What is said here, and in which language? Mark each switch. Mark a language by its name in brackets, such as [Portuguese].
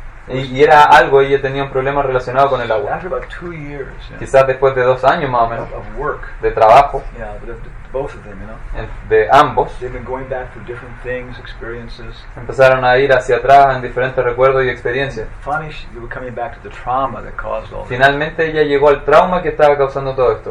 [Spanish] Y era algo, ella tenía un problema relacionado con el agua. [English] After about 2 years, yeah, [Spanish] quizás después de 2 años más o menos [English] of work, [Spanish] de trabajo. [English] Yeah, but of both of them, you know, [Spanish] de ambos. [English] They've been going back through different things, experiences. [Spanish] Empezaron a ir hacia atrás en diferentes recuerdos y experiencias. [English] Finally, she was coming back to the trauma that caused all. [Spanish] Finalmente ella llegó al trauma que estaba causando todo esto.